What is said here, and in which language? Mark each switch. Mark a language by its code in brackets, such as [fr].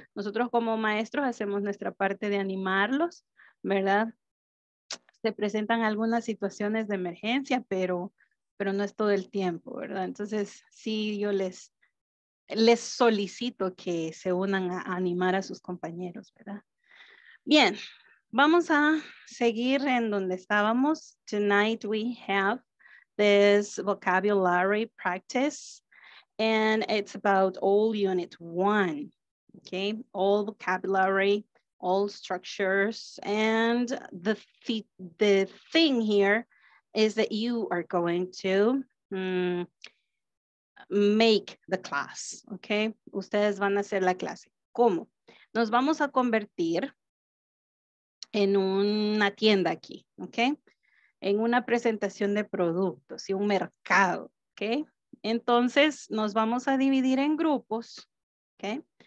[es] Nosotros como maestros hacemos nuestra parte de animarlos, ¿verdad? Se presentan algunas situaciones de emergencia, pero no es todo el tiempo, ¿verdad? Entonces, sí, yo les solicito que se unan a animar a sus compañeros, ¿verdad? Bien, vamos a seguir en donde estábamos. [en] Tonight we have this vocabulary practice, and it's about all unit one, okay? All vocabulary, all structures, and the thing here is that you are going to make the class, okay? [es] Ustedes van a hacer la clase. ¿Cómo? Nos vamos a convertir en una tienda aquí, okay? En una presentación de productos y un mercado, okay? Entonces, nos vamos a dividir en grupos, okay?